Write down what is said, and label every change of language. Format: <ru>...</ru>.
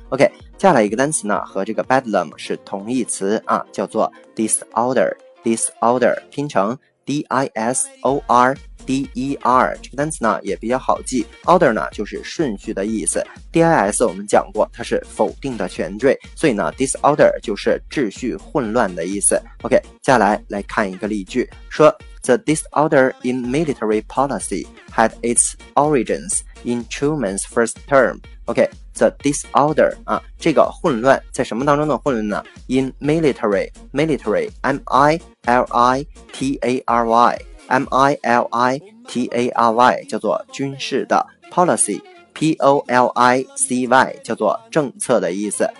<zh>OK， 接下来一个单词呢，和这个 bedlam 是同义词啊，叫做 disorder， 拼成。 D-I-S-O-R-D-E-R 这个单词呢也比较好记， order 呢就是顺序的意思， D-I-S 我们讲过它是否定的前缀，所以呢 disorder 就是秩序混乱的意思。</zh> <en>OK，</en> <zh>接下来来看一个例句，说</zh> <en>The disorder in military policy had its origins in Truman's first term。</en> <zh>OK，The disorder 啊，这个混乱在什么当中的混乱呢 ？In military, military, 叫做军事的 policy, policy 叫做政策的意思。</zh>